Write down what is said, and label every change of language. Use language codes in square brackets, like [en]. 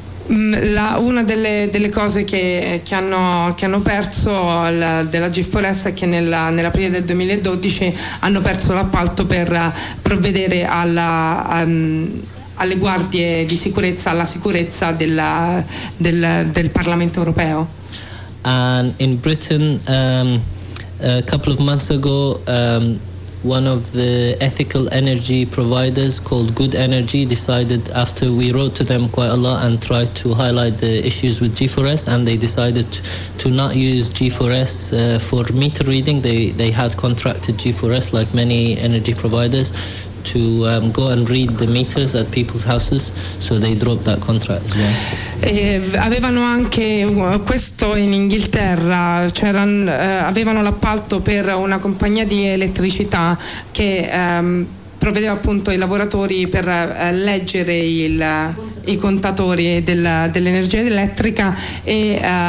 [it] Una delle cose che hanno perso della G4S è che nell'aprile del 2012 hanno perso l'appalto per provvedere alle guardie di sicurezza, alla sicurezza del Parlamento europeo. [en] And in Britain, a couple of months ago, one of the ethical energy providers called Good Energy decided, after we wrote to them quite a lot and tried to highlight the issues with G4S, and they decided to not use G4S for meter reading. They had contracted G4S, like many energy providers, to go and read the meters at people's houses, so they dropped that contract as well. [it] Avevano anche questo in Inghilterra, avevano l'appalto per una compagnia di elettricità che provvedeva appunto ai lavoratori per leggere i contatori dell'energia elettrica, e